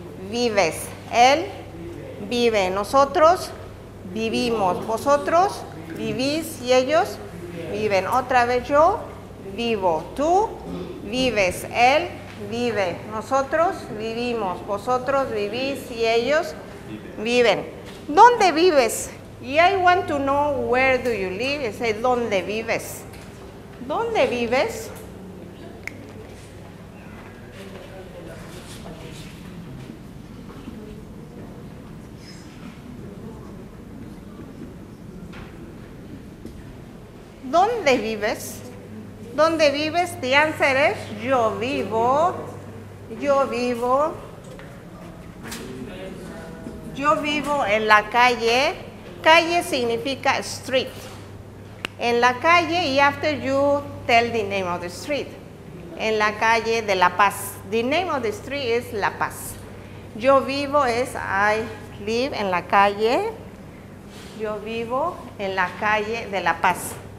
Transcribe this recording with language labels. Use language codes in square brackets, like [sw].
[es] Vives, él vive, nosotros vivimos, vosotros vivís y ellos viven. Otra vez yo vivo, tú vives, él vive, nosotros vivimos, vosotros vivís y ellos viven. ¿Dónde vives? [en] Y I want to know where do you live. [es] Es decir, ¿dónde vives? ¿Dónde vives? ¿Dónde vives? ¿Dónde vives? [en] The answer is, [es] yo vivo en la calle. Calle significa [en] street. [es] En la calle, y [en] after you tell the name of the street. [es] En la calle de La Paz. [en] The name of the street is La Paz. [es] Yo vivo es, [en] I live [es] en la calle. Yo vivo en la calle de La Paz.